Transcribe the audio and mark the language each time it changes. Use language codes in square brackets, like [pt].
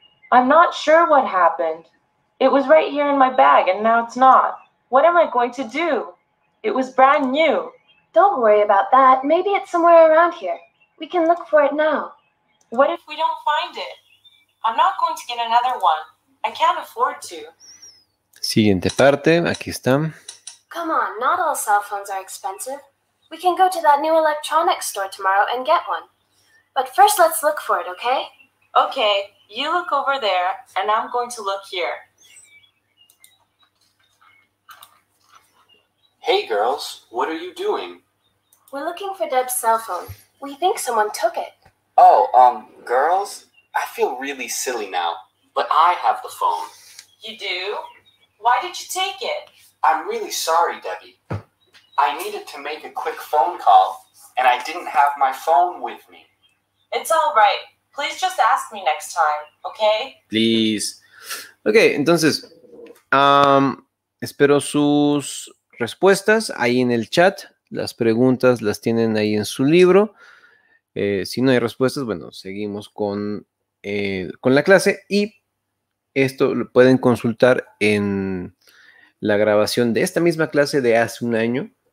[en] I'm not sure what happened. It was right here in my bag, and now it's not. What am I going to do? It was brand new. Don't worry about that. Maybe it's somewhere around here. We can look for it now. What if we don't find it? I'm not going to get another one. I can't afford to. [es] Siguiente parte, aquí está. [en] Come on, not all cell phones are expensive. We can go to that new electronics store tomorrow and get one. But first let's look for it, okay? Okay, you look over there and I'm going to look here. Hey girls, what are you doing? We're looking for Deb's cell phone. We think someone took it. Oh, girls, I feel really silly now, but I have the phone. You do? Why did you take it? I'm really sorry, Debbie. I needed to make a quick phone call, and I didn't have my phone with me. It's all right. Please just ask me next time, okay? Please. [es] Okay, entonces, espero sus respuestas ahí en el chat. Las preguntas las tienen ahí en su libro. Si no hay respuestas, bueno, seguimos con la clase. Y esto lo pueden consultar en la grabación de esta misma clase de hace un año.